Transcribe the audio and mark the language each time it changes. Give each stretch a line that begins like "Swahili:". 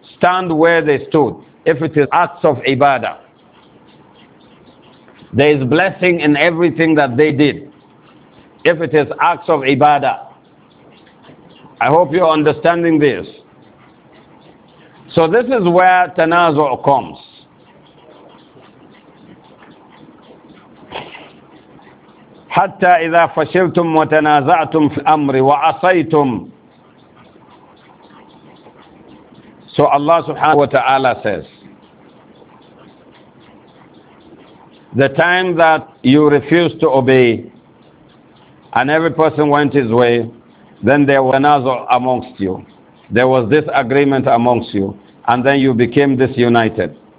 English: Stand where they stood. If it is acts of ibadah, there is blessing in everything that they did. If it is acts of ibadah, I hope you are understanding this. So this is where tanazu' comes.
Arabic: حتى إذا فشلتم وتنازعتم في الأمر وعصيتم.
English: So Allah subhanahu wa ta'ala says, the time that you refused to obey and every person went his way, then there was another amongst you. There was this agreement amongst you, and then you became disunited.